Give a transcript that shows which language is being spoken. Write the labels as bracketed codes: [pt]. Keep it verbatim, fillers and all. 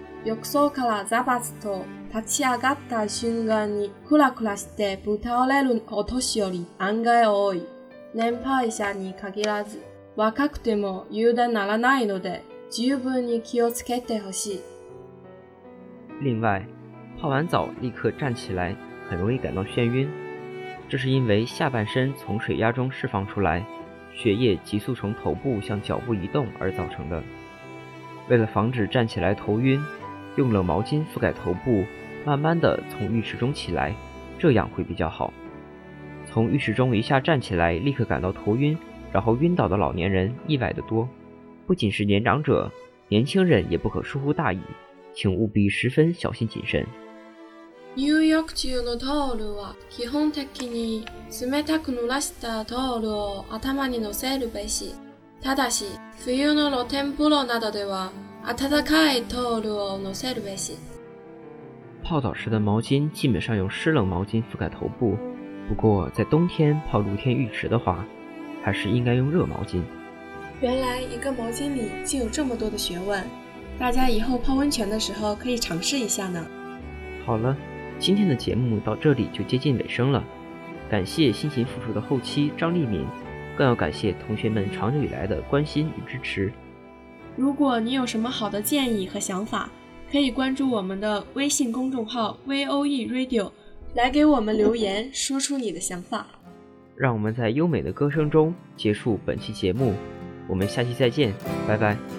[ja] 浴槽からザバツと立ち上がった瞬間にクラクラしてぶたれるお年寄り案外多い。年配者に限らず、若くても油断ならないので、十分に気をつけてほしい。 [zh] 另外，泡完澡立刻站起来，很容易感到眩晕，这是因为下半身从水压中释放出来，血液急速从头部向脚部移动而造成的。为了防止站起来头晕，用冷毛巾覆盖头部，慢慢地从浴池中起来，这样会比较好。从浴池中一下站起来立刻感到头晕，然后晕倒的老年人意外的多，不仅是年长者，年轻人也不可疏忽大意，请务必十分小心谨慎。 [ja] 入浴中のタオルは基本的に冷たく濡らしたタオルを頭にのせるべし。ただし、冬の露天風呂などでは暖かいタオルをのせるべし。 [zh] 泡澡时的毛巾基本上用湿冷毛巾覆盖头部，不过在冬天泡露天浴池的话，还是应该用热毛巾。原来一个毛巾里竟有这么多的学问，大家以后泡温泉的时候可以尝试一下呢。好了，今天的节目到这里就接近尾声了，感谢辛勤付出的后期张丽敏，更要感谢同学们长久以来的关心与支持。如果你有什么好的建议和想法，可以关注我们的微信公众号 V O E Radio 来给我们留言，说出你的想法。让我们在优美的歌声中结束本期节目，我们下期再见，拜拜。